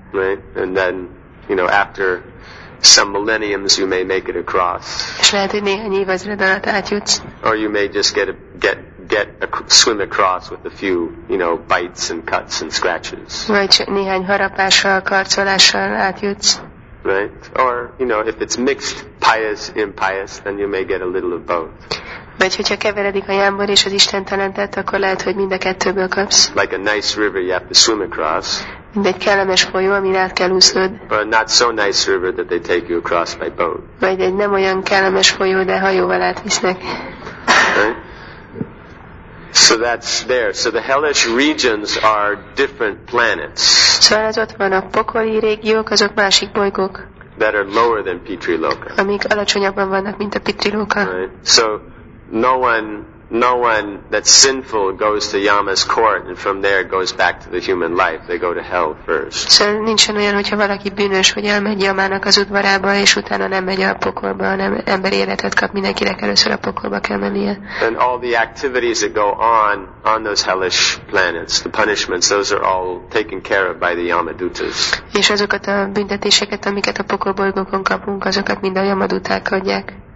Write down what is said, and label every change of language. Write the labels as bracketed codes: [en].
[en] Right, and then you know after some millenniums you may make it across. [hu] És lehet, hogy néhány évezred alatt átjutsz. [en] Or you may just get swim across with a few, you know, bites and cuts and scratches. [hu] Vagy néhány harapással, karcolással átjutsz. [en] Right? Or, you know, if it's mixed pious, impious, then you may get a little of both. [hu] Vagy hogyha keveredik a jámbor és az istentelentet, akkor lehet, hogy mind a kettőből kapsz. [en] Like a nice river you have to swim across. [hu] Mint egy kellemes folyó, amin át kell úsznod. [en] But not so nice river that they take you across by boat. [hu] Vagy egy nem olyan kellemes folyó, de hajóval átvisznek. [en] Right? So that's there. So the hellish regions are different planets. [hu] Szóval az ott van a pokoli régiók, azok másik bolygók. [en] That are lower than Pitriloka. [hu] Amik alacsonyabban vannak, mint a Pitriloka. [en] Right. So no one that's sinful goes to Yama's court and from there goes back to the human life. They go to hell first. [hu] Szóval nincsen olyan, hogyha valaki bűnös, hogy elmegy Yamának az udvarába, és utána nem megy a pokolba, hanem ember életet kap, mindenkinek először a pokolba kell mennie. [en] And all the activities that go on those hellish planets, the punishments, those are all taken care of by the Yamadutas. [hu] És azokat a büntetéseket, amiket a pokolbolygókon kapunk, azokat mind a Yamaduták adják.